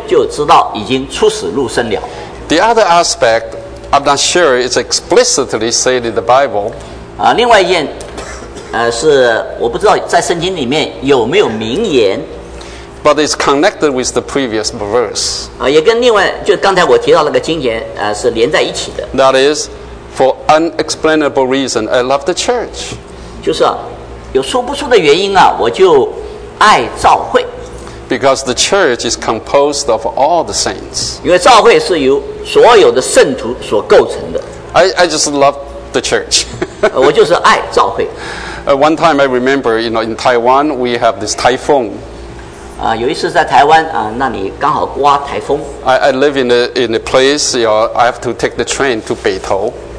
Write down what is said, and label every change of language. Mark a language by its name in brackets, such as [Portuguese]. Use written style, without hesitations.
[Chinese] 那个时候我不知道为什么，后来我就知道在圣经里面讲到，我们因为爱弟兄，就知道已经出死入生了。 [English] The other aspect, I'm not sure it's explicitly said in the Bible. [Chinese] 另外一件，是我不知道在圣经里面有没有明言。 [English] But it's connected with the previous verse. [Chinese] 也跟另外，就刚才我提到那个经节，是连在一起的。 [English] That is, for unexplainable reason, I love the church. [Chinese] 就是有说不出的原因，我就爱召会。 [English] Because the church is composed of all the saints. [Chinese] 因为召会是由所有的圣徒所构成的。 [English] I just love the church. [Chinese] 我就是爱召会。 [English] One time I remember, you know, in Taiwan, we have this typhoon. [Chinese] 有一次在台湾，那里刚好刮台风。 [English] I live in a place, you know, I have to take the train to Beitou.